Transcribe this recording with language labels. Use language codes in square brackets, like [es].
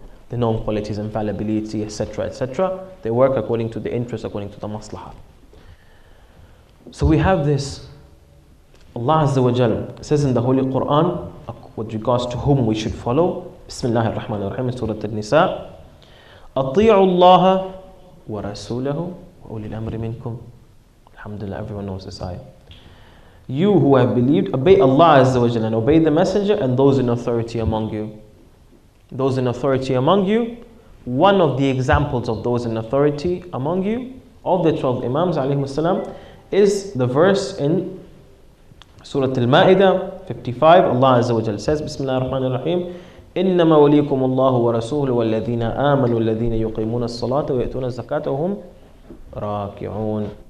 [en] The known qualities, infallibility, etc., etc. They work according to the interest, according to the maslaha. So we have this. Allah Azza wa Jal says in the Holy Quran with regards to whom we should follow. Bismillah ar-Rahman ar-Rahim, Surah Al-Nisa. [ar] أطيعوا الله ورسوله وأولي الأمر منكم. [en] Alhamdulillah, everyone knows this ayah. You who have believed, obey Allah Azza wa Jal and obey the Messenger and those in authority among you. Those in authority among you, one of the examples of those in authority among you, of the 12 Imams alayhim as-salam, is the verse in Surah Al-Ma'idah 55. [ar] Allah Azza wa Jal says, Bismillah ar-Rahman ar-Rahim, إنما وليكم الله ورسوله والذين آمنوا والذين يقيمون الصلاة ويؤتون الزكاة وهم راكعون.